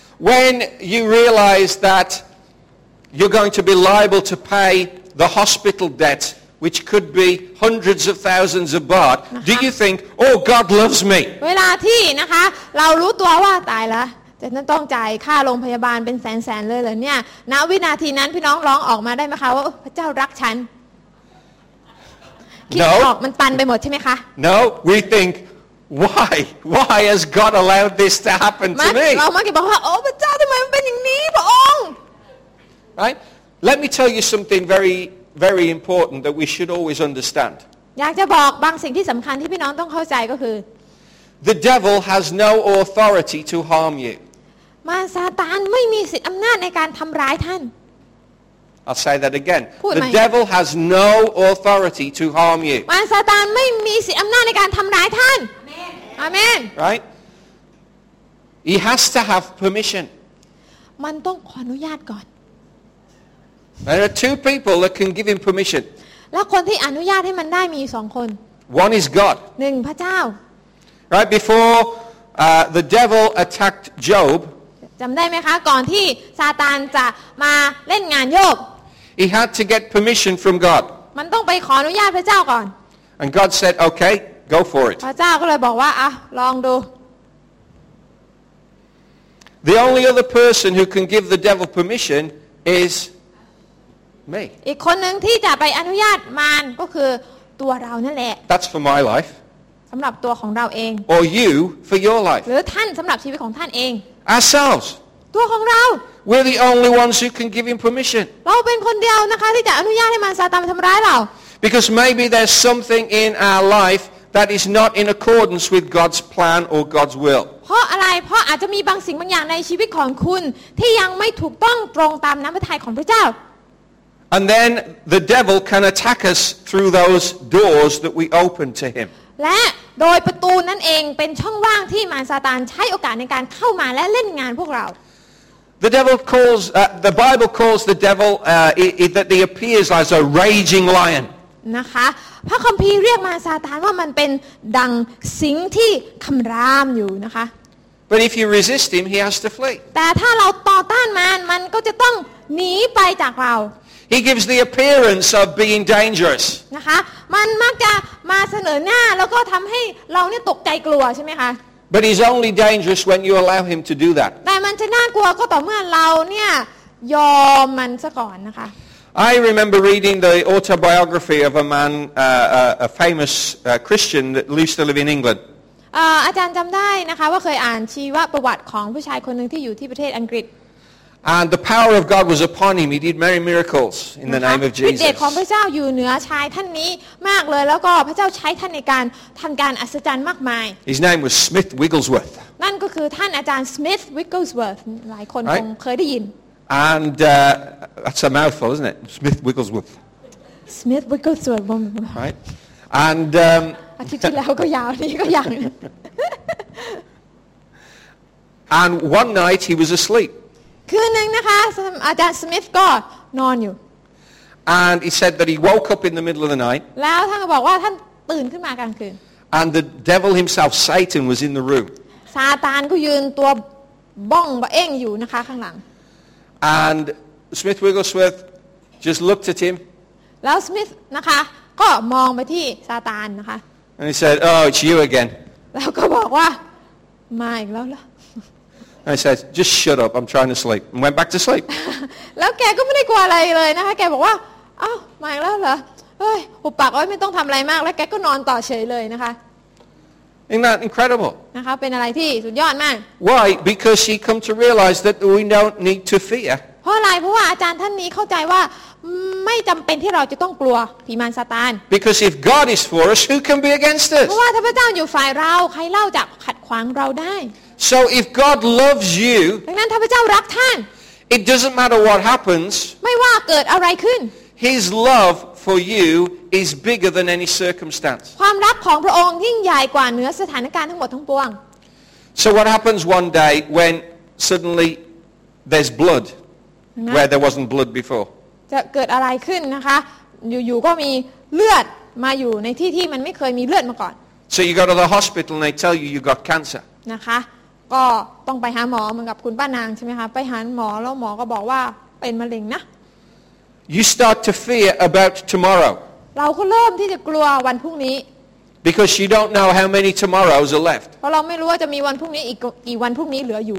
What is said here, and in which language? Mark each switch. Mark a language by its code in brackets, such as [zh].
[en] When you realize that you're going to be liable to pay the hospital debt which could be hundreds of thousands of baht do you think oh God loves me [th] เวลาที่นะคะเรารู้ตัวว่าตายแล้วจะต้องจ่ายค่าโรงพยาบาลเป็นแสนๆเลยเหรอเนี่ยณวินาทีนั้นพี่น้องร้องออกมาได้มั้ยคะว่าพระเจ้ารักฉัน [en] No. [th] มันตันไปหมดใช่ไหมคะ [en] No. We think, why? Why has God allowed this to happen to me? [th] เรามักจะบอกว่าโอ้พระเจ้าทำไมมันเป็นอย่างนี้พระองค์ [en] Right? Let me tell you something very, very important that we should always understand. [th] อยากจะบอกบางสิ่งที่สำคัญที่พี่น้องต้องเข้าใจก็คือ [en] The devil has no authority to harm you. [th] มารซาตานไม่มีสิทธิ์อำนาจในการทำร้ายท่าน [en] I'll say that again. The devil has no authority to harm you. [th] มารซาตานไม่มีสิทธิ์อำนาจในการทำร้ายท่าน Amen. [en] Right? He has to have permission. [th] มันต้องขออนุญาตก่อน [en] There are two people that can give him permission. [th] แล้วคนที่อนุญาตให้มันได้มีสองคน [en] One is God. [th] หนึ่งพระเจ้า [en] Right? Before the devil attacked Job. [th] จำได้ไหมคะก่อนที่ซาตานจะมาเล่นงานโยบ [en] He had to get permission from God [th] มันต้องไปขออนุญาตพระเจ้าก่อน [en] And God said okay go for it [th] พระเจ้าก็เลยบอกว่าอ่ะลองดู [en] The only other person who can give the devil permission is me [th] อีกคนหนึ่งที่จะไปอนุญาตมารก็คือตัวเรานั่นแหละ [en] That's for my life [th] สำหรับตัวของเราเอง [en] Or you for your life [th] หรือท่านสำหรับชีวิตของท่านเอง [en] Ourselves. [th] ตัวของเรา [en] We're the only ones who can give him permission. [th] เราเป็นคนเดียวนะคะที่จะอนุญาตให้มารซาตานทำร้ายเรา [en] Because maybe there's something in our life that is not in accordance with God's plan or God's will. [th] เพราะอะไรเพราะอาจจะมีบางสิ่งบางอย่างในชีวิตของคุณที่ยังไม่ถูกต้องตรงตามน้ำพระทัยของพระเจ้า [en] And then the devil can attack us through those doors that we open to him. [th] และโดยประตูนั่นเองเป็นช่องว่างที่มารซาตานใช้โอกาสในการเข้ามาและเล่นงานพวกเรา [en] The devil calls the Bible calls the devil that he appears as a raging lion [th] นะคะพระคัมภีร์เรียกมารซาตานว่ามันเป็นดังสิงที่คำรามอยู่นะคะ [en] But if you resist him he has to flee [th] แต่ถ้าเราต่อต้านมันมันก็จะต้องหนีไปจากเรา [en] He gives the appearance of being dangerous [th] นะคะมันมักจะมาเสนอหน้าแล้วก็ทำให้เราเนี่ยตกใจกลัวใช่ไหมคะ [en] But he's only dangerous when you allow him to do that. [th] แต่มันจะน่ากลัวก็ต่อเมื่อเราเนี่ยยอมมันซะก่อนนะคะ [en] I remember reading the autobiography of a man, a famous Christian that used to live in England. [th] อาจารย์จำได้นะคะว่าเคยอ่านชีวประวัติของผู้ชายคนหนึ่งที่อยู่ที่ประเทศอังกฤษ [en] And the power of God was upon him. He did many miracles in the name of Jesus. [th] ฤทธิ์ของพระเจ้าอยู่เหนือชายท่านนี้มากเลยแล้วก็พระเจ้าใช้ท่านในการทำการอัศจรรย์มากมาย [en] His name was Smith Wigglesworth. [th] นั่นก็คือท่านอาจารย์ Smith Wigglesworth. หลายคนคงเคยได้ยิน [en] And that's a mouthful, isn't it? Smith Wigglesworth. Smith Wigglesworth. Right. And [th] อาทิตย์ที่แล้วก็ยาวนี่ก็ยาว [en] And one night he was asleep. [th] คืนหนึ่งนะคะอาจารย์สมิธก็นอนอยู่ [en] And he said that he woke up in the middle of the night [th] แล้วท่านก็บอกว่าท่านตื่นขึ้นมากลางคืน [en] And the devil himself Satan was in the room [th] ซาตานก็ยืนตัวบ้องบะเอ่งอยู่นะคะข้างหลัง [en] And Smith Wigglesworth just looked at him [th] แล้วสมิธนะคะก็มองไปที่ซาตานนะคะ [en] And he said oh it's you again [th] แล้วก็บอกว่ามาอีกแล้วล่ะ [en] I said, "Just shut up. I'm trying to sleep." And went back to sleep. [th] แล้วแกก็ไม่ได้กลัวอะไรเลยนะคะแกบอกว่าอ้าวมาอีกแล้วเหรอเฮ้ยหุบปากไว้ไม่ต้องทำอะไรมากแล้วแกก็นอนต่อเฉยเลยนะคะ [en] Isn't that incredible? [th] นะคะเป็นอะไรที่สุดยอดมาก [en] Why? Because she come to realize that we don't need to fear. [th] เพราะอะไรเพราะว่าอาจารย์ท่านนี้เข้าใจว่าไม่จำเป็นที่เราจะต้องกลัวผีมารซาตาน [en] Because if God is for us, who can be against us? [th] เพราะว่าถ้าพระเจ้าอยู่ฝ่ายเราใครเล่าจะขัดขวางเราได้ [en] So if God loves you, [th] ดังนั้นถ้าพระเจ้ารักท่าน [en] it doesn't matter what happens. [th] ไม่ว่าเกิดอะไรขึ้น [en] His love for you is bigger than any circumstance. [th] ความรักของพระองค์ยิ่งใหญ่กว่าเหนือสถานการณ์ทั้งหมดทั้งปวง [en] So what happens one day when suddenly there's blood where there wasn't blood before? [th] จะเกิดอะไรขึ้นนะคะอยู่ๆก็มีเลือด มาอยู่ในที่ที่มันไม่เคยมีเลือดมาก่อน [en] So you go to the hospital and they tell you you got cancer [th] นะคะก็ต้องไปหาหมอเหมือนกับคุณป้านางใช่ไหมคะไปหาหมอแล้วหมอก็บอกว่าเป็นมะเร็งนะ [en] You start to fear about tomorrow [th] เราก็เริ่มที่จะกลัววันพรุ่งนี้ [en] Because you don't know how many tomorrows are left [th] เพราะเราไม่รู้ว่าจะมีวันพรุ่งนี้อีกกี่วันพรุ่งนี้เหลืออยู